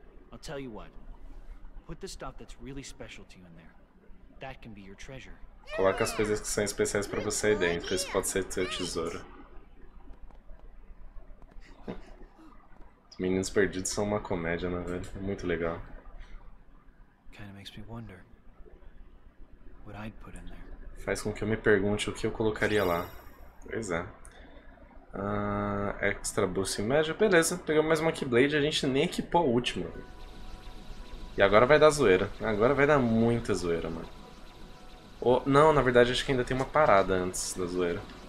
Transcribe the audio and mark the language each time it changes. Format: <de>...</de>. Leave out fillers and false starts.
<pt>Vou te dizer o que. Põe as coisas que são realmente especiais para você lá. Isso pode ser seu tesouro. Coloque as coisas que são especiais para você aí dentro. Isso pode ser seu tesouro. Meninos perdidos são uma comédia, né, velho? É muito legal.</pt> <en>Kind of makes me wonder what I'd put in there.</en> <pt>Faz com que eu me pergunte o que eu colocaria lá. Pois é. Extra boost em média. Beleza, pegamos mais uma Keyblade. A gente nem equipou a última. E agora vai dar zoeira. Agora vai dar muita zoeira, mano. Oh, não, na verdade acho que ainda tem uma parada antes da zoeira.</pt>